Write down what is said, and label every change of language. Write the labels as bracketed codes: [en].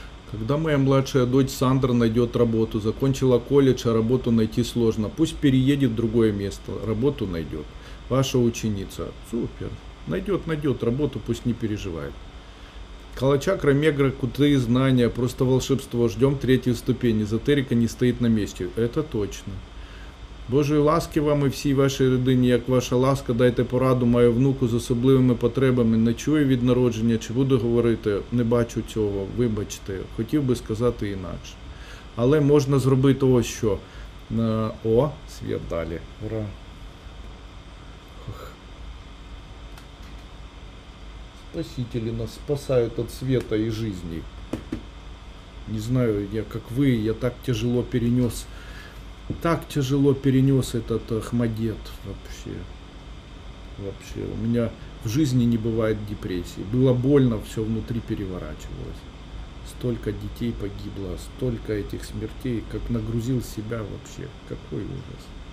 [ru] Когда моя младшая дочь Сандра найдет работу, закончила колледж, а работу найти сложно, пусть переедет в другое место, работу найдет. Ваша ученица. Супер. Найдет работу, пусть не переживает. Калачакра, мегра, куты, знания, просто волшебство. Ждем третью ступень. Эзотерика не стоит на месте. Это точно. [uk] Божьей ласки вам и всей вашей родине, як ваша ласка, дайте пораду мою внуку з особливими потребами, не чую від народження, чи буду говорити, не бачу цього, вибачте, хотів би сказати інакше. Але можна зробити ось що. О, світ далі. Ура. Спасителі нас спасають від світу і житті. [ru] Не знаю, я як ви, я так тяжело перенес... Так тяжело перенес этот Ахмадет вообще. Вообще. У меня в жизни не бывает депрессии. Было больно, все внутри переворачивалось. Столько детей погибло, столько этих смертей, как нагрузил себя вообще. Какой ужас.